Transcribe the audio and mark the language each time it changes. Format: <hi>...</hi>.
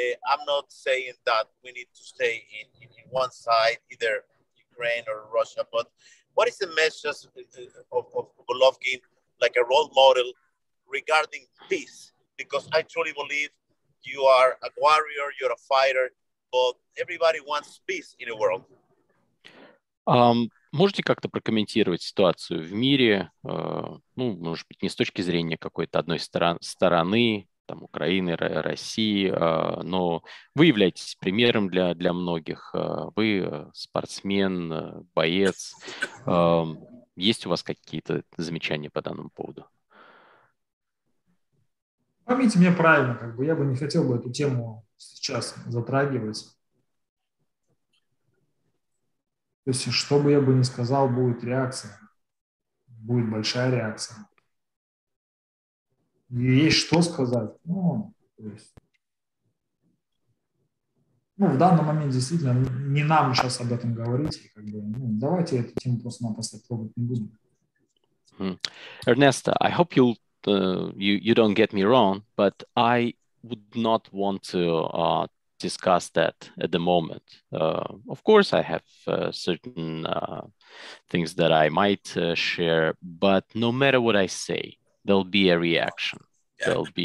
<en>I'm not saying that we need to stay in one side, either Ukraine or Russia, but what is the message of Golovkin, like a role model regarding peace? Because I truly believe you are a warrior, you're a fighter, but everybody wants peace in the world.</en> <ru>Можете как-то прокомментировать ситуацию в мире, ну, может быть, не с точки зрения какой-то одной стороны, там, Украины, России, но вы являетесь примером для многих. Вы спортсмен, боец. Есть у вас какие-то замечания по данному поводу? Поймите меня правильно, как бы я бы не хотел бы эту тему сейчас затрагивать. То есть, что бы я бы ни сказал, будет реакция. Будет большая реакция. И есть что сказать. Ну, то есть, ну, в данный момент действительно не нам сейчас об этом говорить. Как бы, ну, давайте эту тему просто-напросто пробовать не будем.</ru> <en>Эрнесто, I hope you'll you don't get me wrong, but I would not want to discuss that at the moment. Of course, I have certain things that I might share, but no matter what I say, there'll be a reaction. Yeah.</en>